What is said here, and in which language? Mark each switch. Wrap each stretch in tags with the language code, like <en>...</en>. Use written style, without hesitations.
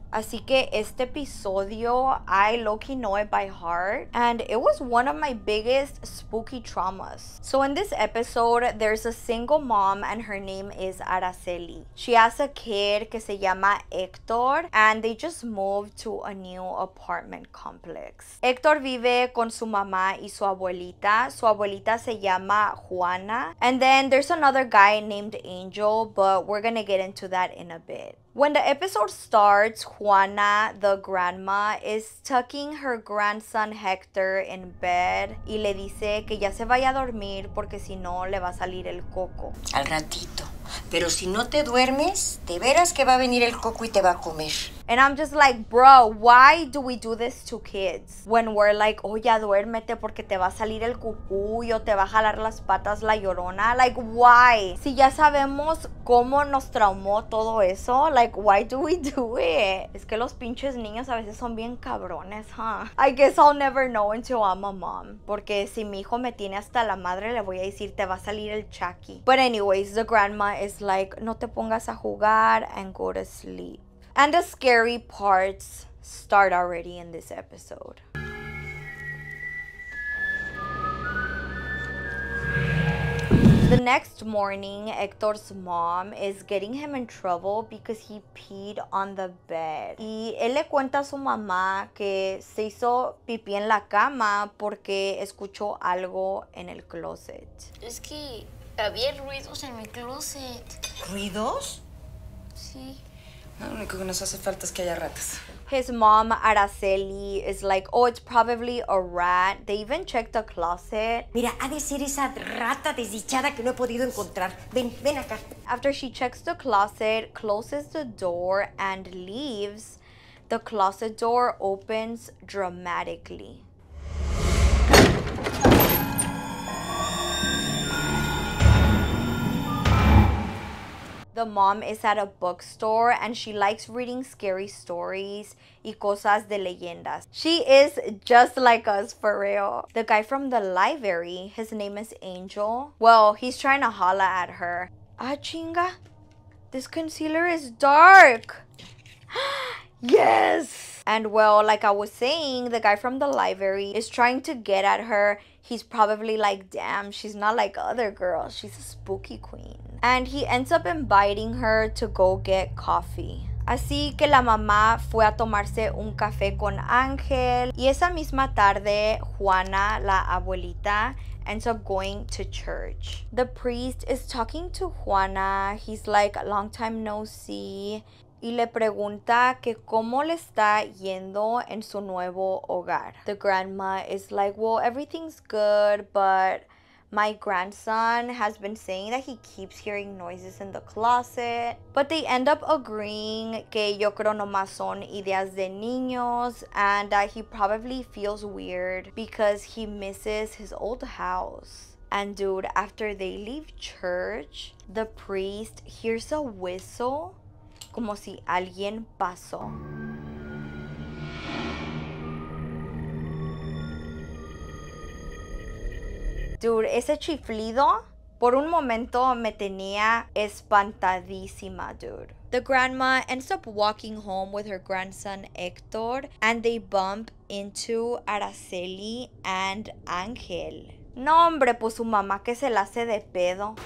<es>Así que este episodio,</es> <en>I low-key know it by heart. And it was one of my biggest spooky traumas. So in this episode, there's a single mom and her name is Araceli. She has a kid</en> <es>que se llama</es> <en>Héctor and they just moved to a new apartment complex.</en> <es>Héctor vive con su mamá y su abuelita. Su abuelita se llama Juana.</es> <en>And then there's another guy named Angel, but we're gonna get into that in a bit. When the episode starts, Juana, the grandma, is tucking her grandson Hector in bed</en> <es>y le dice que ya se vaya a dormir porque si no le va a salir el coco. Al ratito. Pero si no te duermes, te verás que va a venir el coco y te va a comer.</es> <en>And I'm just like, bro, why do we do this to kids? When we're like, oh,</en> <es>ya duérmete porque te va a salir el cucú y o te va a jalar las patas la llorona.</es> <en>Like, why?</en> <es>Si ya sabemos cómo nos traumó todo eso,</es> <en>like, why do we do it?</en> <es>Es que los pinches niños a veces son bien cabrones, huh?</es> <en>I guess I'll never know until I'm a mom.</en> <es>Porque si mi hijo me tiene hasta la madre, le voy a decir, te va a salir el chucky.</es> <en>But anyways, the grandma is like,</en> <es>no te pongas a jugar</es> <en>and go to sleep. And the scary parts start already in this episode. The next morning, Hector's mom is getting him in trouble because he peed on the bed.</en> <es>Y él le cuenta a su mamá que se hizo pipí en la cama porque escuchó algo en el closet. Es que había ruidos en mi closet. ¿Ruidos? Sí. Lo único que nos hace falta es que haya ratas.</es> <en>His mom, Araceli, is like, oh, it's probably a rat. They even checked the closet.</en> <es>Mira, ha de ser esa rata desdichada que no he podido encontrar. Ven, ven acá.</es> <en>After she checks the closet, closes the door, and leaves, the closet door opens dramatically. The mom is at a bookstore and she likes reading scary stories</en> <es>y cosas de leyendas.</es> <en>She is just like us, for real. The guy from the library, his name is Angel. Well, he's trying to holla at her. Ah, chinga. This concealer is dark. Yes! And well, like I was saying, the guy from the library is trying to get at her. He's probably like, damn, she's not like other girls. She's a spooky queen. And he ends up inviting her to go get coffee.</en> <es>Así que la mamá fue a tomarse un café con Ángel. Y esa misma tarde, Juana, la abuelita,</es> <en>ends up going to church. The priest is talking to Juana. He's like, long time no see.</en> <es>Y le pregunta que cómo le está yendo en su nuevo hogar.</es> <en>The grandma is like, well, everything's good, but my grandson has been saying that he keeps hearing noises in the closet. But they end up agreeing</en> <es>que yo creo nomás son ideas de niños</es> <en>and that he probably feels weird because he misses his old house. And dude, after they leave church, the priest hears a whistle</en> <es>como si alguien pasó. Dude, ese chiflido por un momento me tenía espantadísima, dude.</es> <en>The grandma ends up walking home with her grandson, Héctor, and they bump into Araceli and Ángel.</en> <es>No, hombre, pues su mamá que se la hace de pedo.</es>